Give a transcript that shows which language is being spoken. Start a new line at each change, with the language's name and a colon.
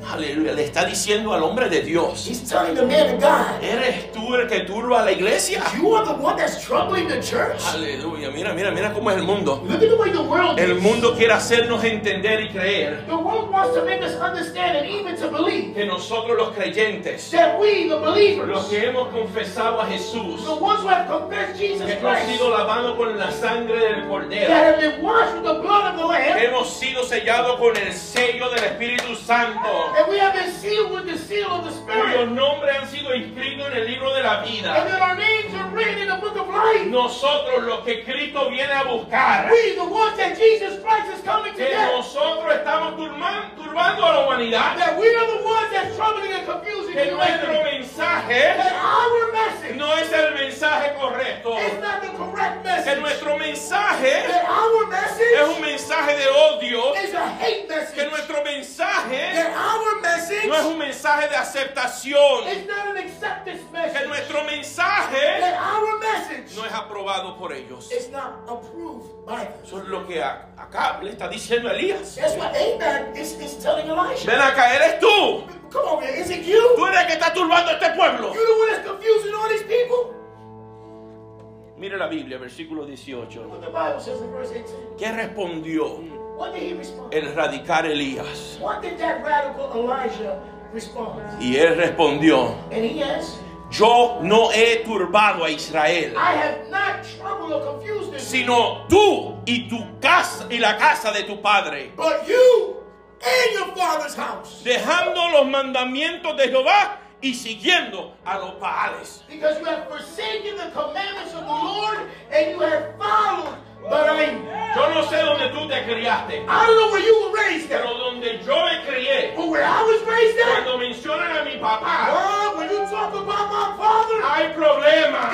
Spanish: Hallelujah. Le está diciendo al hombre de Dios.
English: He's telling the man of God.
Spanish: ¿Eres tú el que turba la iglesia?
English: You are the one that's troubling the church.
Spanish: Hallelujah. Mira cómo es el mundo.
English: Look at the way the world is.
Spanish: El mundo quiere hacernos entender y creer.
English: The world wants to make us understand and even to believe.
Spanish: Que nosotros los creyentes.
English: That we, the believers.
Spanish: Los que hemos confesado a Jesús.
English: The ones who have confessed Jesus Christ.
Spanish: Que hemos sido lavados con la sangre del cordero.
English: That have been washed with the blood of the lamb.
Spanish: Que hemos sido sellados con el sello del Espíritu Santo.
English: And we have been sealed with the seal of the Spirit.
Spanish: Cuyos nombres han sido inscritos en el libro de la vida.
English: And that our names are written in the book of life.
Spanish: Nosotros los que Cristo viene a buscar.
English: We, the ones that Jesus Christ is coming to get.
Spanish: Nosotros estamos turbando a la humanidad.
English: That we are the ones that's troubling and confusing the humanity.
Spanish: Nuestro mensaje.
English: That our message.
Spanish: No es el mensaje correcto.
English: It's not the correct message.
Spanish: Que nuestro mensaje.
English: That our message.
Spanish: Es un mensaje de odio.
English: Is a hate message.
Spanish: Que nuestro mensaje,
English: that our message,
Spanish: no es un mensaje de aceptación.
English: It's not an acceptance message.
Spanish: Que nuestro mensaje,
English: that our message,
Spanish: no es aprobado por ellos.
English: It's not approved by them.
Spanish: Eso es lo que Acab le está diciendo a Elías.
English: That's what Ahab is telling Elijah.
Spanish: Ven acá, eres tú.
English: Come on, man, is it you?
Spanish: Tú eres el que está turbando este pueblo.
English: You're the one that's confusing all these people.
Spanish: Mire la Biblia, versículo 18.
English: What the Bible says in verse 18.
Spanish: ¿Qué respondió?
English: What did he respond?
Spanish: El radical Elías.
English: What did that radical Elijah respond?
Spanish: Y él respondió.
English: And he asked.
Spanish: Yo no he turbado a Israel.
English: I have not troubled or confused Israel.
Spanish: Sino tú y tu casa y la casa de tu padre.
English: But you and your father's house.
Spanish: Dejando los mandamientos de Jehová y siguiendo a los Baales.
English: Because you have forsaken the commandments of the Lord and you have followed. But I mean,
Spanish: yo no sé dónde tú te criaste.
English: I don't know where you were raised at.
Spanish: Pero donde yo me crié.
English: But where I was raised at.
Spanish: Cuando mencionan a mi papá.
English: Well, when you talk about my father.
Spanish: Hay problemas.